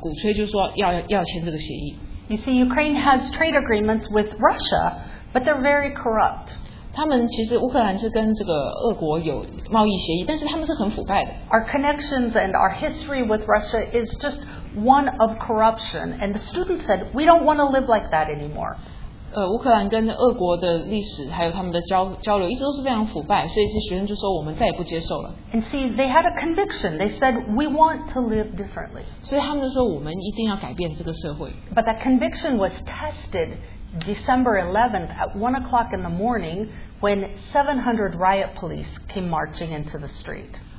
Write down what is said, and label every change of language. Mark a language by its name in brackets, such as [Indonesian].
[Chinese] 这个乌克兰的总统呢，他有一个机会可以跟西方国家签订这个贸易的协议，然后这个学生团体就在鼓吹，就是说要签这个协议。 [English] You see, Ukraine has trade agreements with Russia, but they're very corrupt. [Chinese] 他们其实乌克兰是跟这个俄国有贸易协议，但是他们是很腐败的。 [English] Our connections and our history with Russia is just one of corruption, and the students said, we don't want to live like that anymore. [Chinese] 乌克兰跟俄国的历史还有他们的交流一直都是非常腐败，所以这些学生就说我们再也不接受了。 [English] And see, they had a conviction. They said, we want to live differently. [Chinese] 所以他们就说我们一定要改变这个社会。 [English] But that conviction was tested December 11th at 1 o'clock in the morning when 700 riot police came marching into the street.